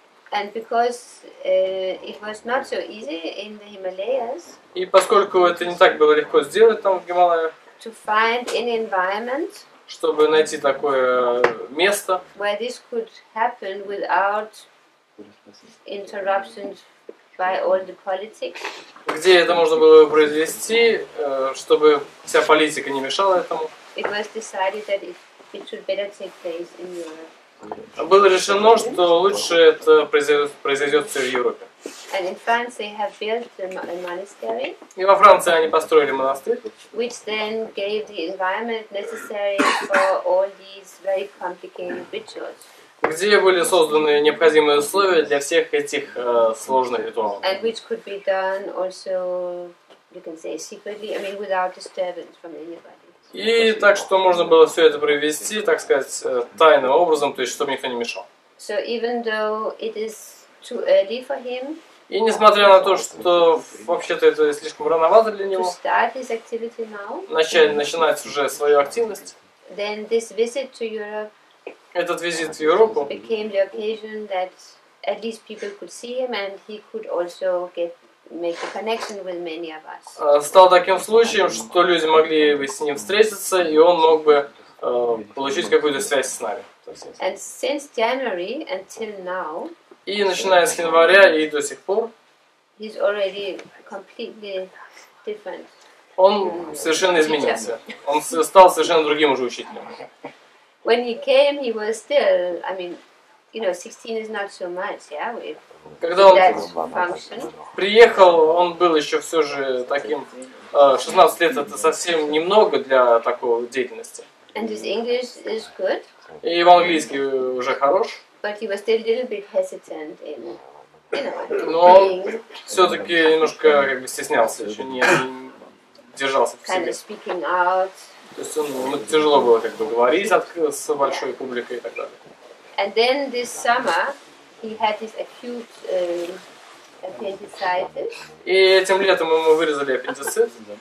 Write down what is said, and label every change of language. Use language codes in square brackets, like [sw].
[en] And because it was not so easy in the Himalayas. [ru] И поскольку это не так было легко сделать там в Гималаях. [en] To find an environment. [ru] Чтобы найти такое место. [en] Where this could happen without interruptions. By all the politics. [ru] Где это можно было бы произвести, чтобы вся политика не мешала этому? [en] It was decided that it should better take place in Europe. [ru] Было решено, что лучше это произойдет все в Европе. [en] And in France they have built a monastery. [ru] И во Франции они построили монастырь. [en] Which then gave the environment necessary for all these very complicated rituals. [ru] Где были созданы необходимые условия для всех этих сложных ритуалов. [en] And which could be done also, you can say, secretly, I mean, without disturbance from anybody. [ru] И так, что можно было все это провести, так сказать, тайным образом, то есть, чтобы никто не мешал. [en] So even though it is too early for him. [ru] И несмотря на то, что вообще-то это слишком рановато для него. [en] To start his activity now. [ru] Начинать уже свою активность. [en] Then this visit to Europe. [ru] Этот визит в Европу. [en] Became the occasion that at least people could see him and he could also make a connection with many of us. [ru] Стал таким случаем, что люди могли бы с ним встретиться и он мог бы получить какую-то связь с нами. [en] And since January until now. [ru] И начиная с января и до сих пор. [en] He's already completely different. [ru] Он совершенно изменился. Он стал совершенно другим уже учителем. [en] When he came, he was still, I mean, you know, 16 is not so much, yeah, with that function. [ru] Приехал, он был еще все же таким, 16 лет это совсем немного для такого деятельности. [en] And his English is good. [ru] И его английский уже хорош. [en] But he was still a little bit hesitant in [ru] Но все-таки немножко как бы стеснялся, еще не держался в себе. То есть ну, тяжело было как бы говорить с большой публикой и так далее. [en] And then this summer he had this acute appendicitis. [ru] И этим летом ему вырезали аппендицит.